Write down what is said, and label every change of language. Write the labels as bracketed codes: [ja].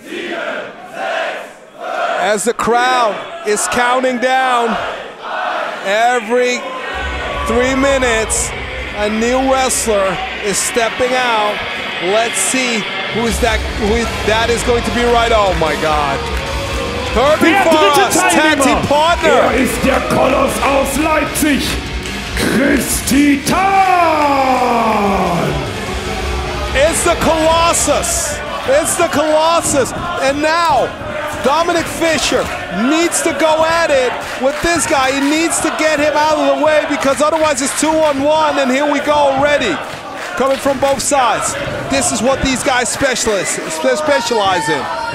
[en] as the crowd is counting down. Every 3 minutes, a new wrestler is stepping out. Let's see who is that. Who is, that is going to be right. Oh my God. Herbi Voss, tag team partner. [de] Er ist der Koloss aus Leipzig, Chris Titan. [en] It's the Colossus. It's the Colossus. And now, Dominik Fischer needs to go at it with this guy. He needs to get him out of the way because otherwise it's 2-on-1 and here we go already. Coming from both sides. This is what these guys specialize in.